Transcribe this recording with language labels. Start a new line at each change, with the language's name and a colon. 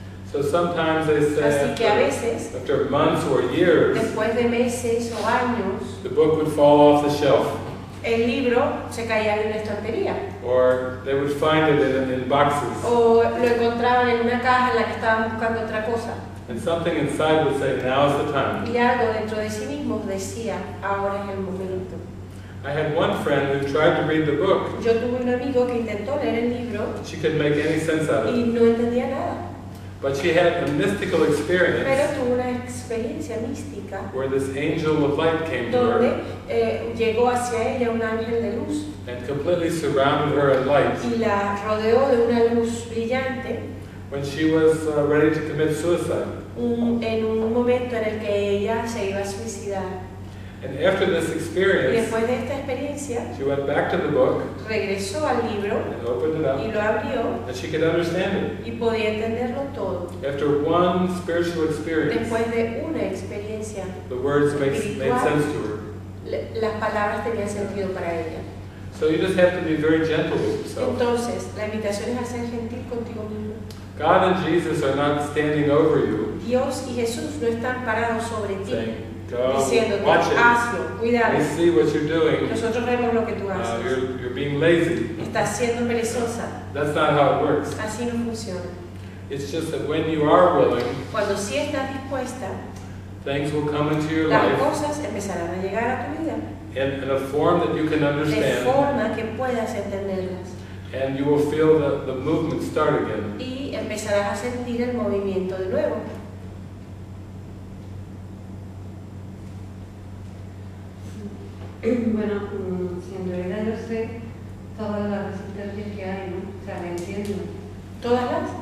English: So sometimes they say
Spanish: así que a veces,
English: after months or years
Spanish: después de meses o años,
English: the book would fall off the shelf.
Spanish: El libro se caía de una estantería.
English: Or they would find it in boxes.
Spanish: O lo encontraban en una caja en la que estaban buscando otra cosa.
English: And something inside would say, now is the time.
Spanish: Y algo dentro de sí mismo decía, ahora es el momento.
English: I had one friend who tried to read the book.
Spanish: Yo tuve un amigo que intentó leer el libro.
English: She couldn't make any sense out of it.
Spanish: Y no entendía nada.
English: But she had a mystical experience.
Spanish: Pero tuvo una experiencia mística.
English: Where this angel of light came to her.
Spanish: Donde llegó hacia ella un ángel de luz.
English: And completely surrounded her in light.
Spanish: Y la rodeó de una luz brillante.
English: When she was ready to commit suicide.
Spanish: En un momento en el que ella se iba a suicidar.
English: And after this experience,
Spanish: después de esta experiencia,
English: she went back to the book,
Spanish: regresó al libro,
English: and opened it up,
Spanish: y lo abrió,
English: and she could understand it.
Spanish: Y podía entenderlo todo.
English: After one spiritual experience,
Spanish: después de una experiencia,
English: the words made sense to her.
Spanish: Las palabras tenían sentido para ella.
English: So you just have to be very gentle with yourself.
Spanish: Entonces, la invitación es a ser gentil contigo mismo.
English: God and Jesus are not standing over you.
Spanish: Dios y Jesús no están parados sobre ti.
English: Go, watch it.
Spanish: Hazlo, cuidado.
English: We see what you're doing.
Spanish: Nosotros vemos lo que tú haces.
English: You're being lazy.
Spanish: Estás siendo perezosa.
English: That's not how it works.
Spanish: Así no funciona.
English: It's just that when you are willing,
Spanish: cuando sí estás dispuesta,
English: things will come into your
Spanish: las
English: life.
Spanish: Las cosas empezarán a llegar a tu vida.
English: In a form that you can understand.
Spanish: De forma que puedas entenderlas.
English: And you will feel the movement start again.
Spanish: Y empezarás a sentir el movimiento de nuevo. Bueno, si en realidad yo sé todas las resistencias que hay, ¿no? O sea, la entiendo. ¿Todas las?